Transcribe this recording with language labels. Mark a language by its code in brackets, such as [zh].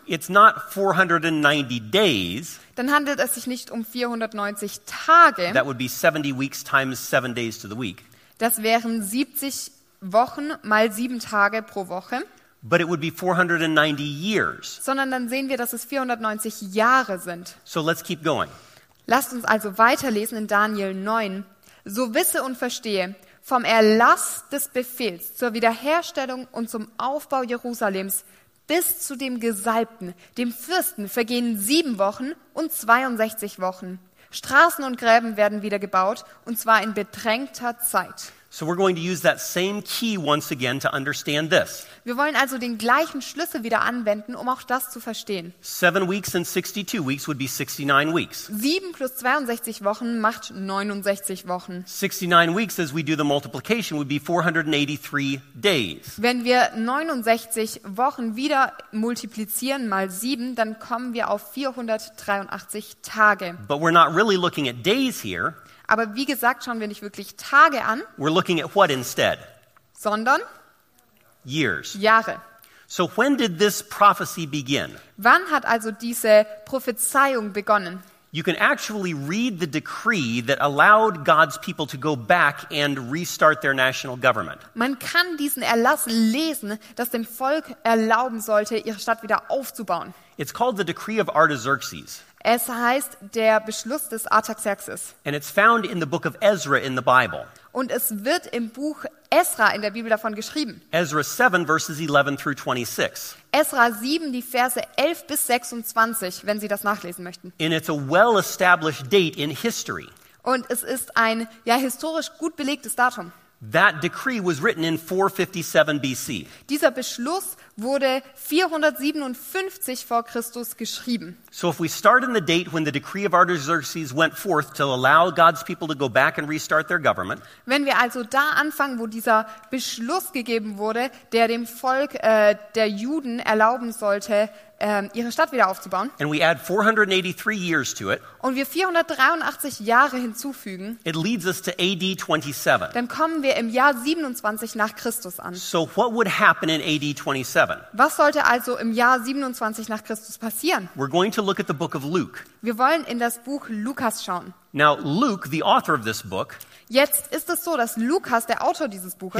[en] it's not 490 days, [de] dann handelt es sich nicht um 490 Tage. [en] That would be 70 weeks times 7 days to the week. [de] Das wären 70 Wochen mal 7 Tage pro Woche. [en] But it would be 490 years. [de] Sondern dann sehen wir, dass es 490 Jahre sind. [en] So let's keep going. [de] Lasst uns also weiterlesen in Daniel 9. So wisse und verstehe, vom Erlass des Befehls zur Wiederherstellung und zum Aufbau Jerusalems bis zu dem Gesalbten, dem Fürsten, vergehen 7 Wochen und 62 Wochen. Straßen und Gräben werden wieder gebaut, und zwar in bedrängter Zeit. [en] So we're going to use that same key once again to understand this. [de] Wir wollen also den gleichen Schlüssel wieder anwenden, um auch das zu verstehen. [en] 7 weeks and 62 weeks would be 69 weeks. [de] 7 plus 62 Wochen macht 69 Wochen. [en] 69 weeks, as we do the multiplication, would be 483 days. [de] Wenn wir 69 Wochen wieder multiplizieren mal 7, dann kommen wir auf 483 Tage. [en] But we're not really looking at days here. [de] Aber wie gesagt, schauen wir nicht wirklich Tage an. [en] We're looking at what instead? [de] Sondern? [en] Years. [de] Jahre. [en] So when did this prophecy begin? [de] Wann hat also diese Prophezeiung begonnen? [en] You can actually read the decree that allowed God's people to go back and restart their national government. [de] Man kann diesen Erlass lesen, das dem Volk erlauben sollte, ihre Stadt wieder aufzubauen. [en] It's called the Decree of Artaxerxes. [de] Es heißt der Beschluss des Artaxerxes. [en] And it's found in the book of Ezra in the Bible. [de] Und es wird im Buch Ezra in der Bibel davon geschrieben. [en] Ezra 7 verses 11 through 26. [de] Ezra 7 die Verse 11 bis 26, wenn Sie das nachlesen möchten. [en] And it's a well established date in history. [de] Und es ist ein ja historisch gut belegtes Datum. [en] That decree was written in 457 BC. [de] Dieser Beschluss wurde 457 vor Christus geschrieben. [en] So if we start in the date when the decree of Artaxerxes went forth to allow God's people to go back and restart their government. [de] Wenn wir also da anfangen, wo dieser Beschluss gegeben wurde, der dem Volk der Juden erlauben sollte, ihre Stadt wieder aufzubauen. [en] And we add 483 years to it. [de] Und wir 483 Jahre hinzufügen. [en] It leads us to AD 27. [de] Dann kommen wir im Jahr 27 nach Christus an. [en] So what would happen in AD 27? [de] Was sollte also im Jahr 27 nach Christus passieren? [en] We're going to look at the book of Luke. [de] Wir wollen in das Buch Lukas schauen. [en] Now Luke, the author of this book. [de] Jetzt ist es so, dass Lukas der Autor dieses Buches.